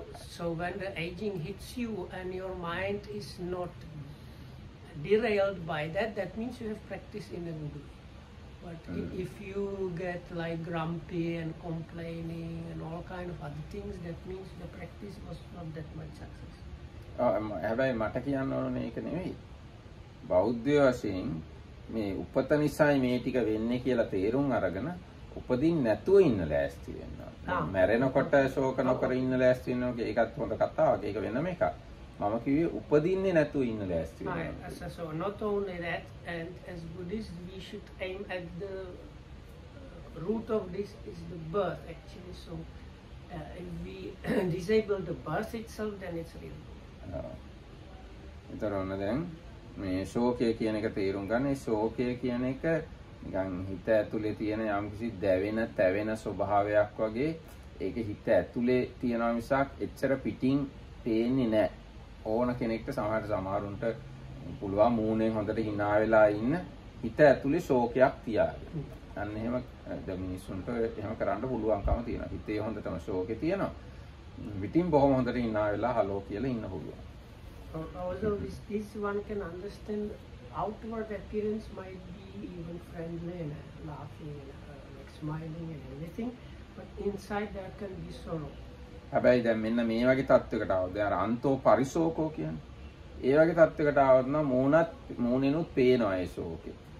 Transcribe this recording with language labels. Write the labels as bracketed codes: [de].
[en] So when the aging hits you and your mind is not derailed by that means you have practiced in a good way. But if you get like grumpy and complaining and all kind of other things, that means the practice was not that much success. [si] හැබැයි මට කියන්න ඕනේ ඒක නෙවෙයි. බෞද්ධයෝ වශයෙන් මේ උපත නිසායි මේ ටික වෙන්නේ කියලා තේරුම් අරගෙන උපදින් නැතුව ඉන්න ලෑස්ති වෙනවා. මැරෙනකොට ශෝක නොකර ඉන්න ලෑස්ති වෙනවා කියන එකත් හොඳ කතාවක්. ඒක වෙනම එකක්. මම කිව්වේ උපදින්නේ නැතුව ඉන්න ලෑස්ති වෙනවා. [en] So not only that, and as Buddhists we should aim at the root of this is the birth actually. So if we disable the birth itself, then it's real. [si] ඊට පස්සේ දැන් මේ ශෝකය කියන එක තේරුම් ගන්න. මේ ශෝකය කියන එක නිකන් හිත ඇතුලේ තියෙන යම්කිසි දැවෙන, තැවෙන ස්වභාවයක් වගේ. ඒක හිත ඇතුලේ තියෙනවා මිසක් එච්චර පිටින් පේන්නේ නැහැ. ඕන කෙනෙක්ට සමහර සමහරුන්ට පුළුවන් මූණේ හොඳට hina වෙලා ඉන්න හිත ඇතුලේ ශෝකයක් තියාගෙන. අන්න එහෙම දැන් මිනිස්සුන්ට එහෙම කරන්න පුළුවන්කම තියෙනවා. හිතේ හොඳටම ශෝකේ තියෙනවා. විтин බොහොම හොඳට hina වෙලා හලෝ කියලා ඉන්න පුළුවන්. [en] Although this one can understand, outward appearance might be even friendly and laughing and like smiling and everything, but inside there can be sorrow. [si] හැබැයි දැන් මෙන්න මේ වගේ තත්වයකට ආවද අර අන්තෝ පරිශෝකෝ කියන්නේ. ඒ වගේ තත්වයකට ආවද නම් මූණත් මූණෙනුත් පේනවා ඒ ශෝකේ.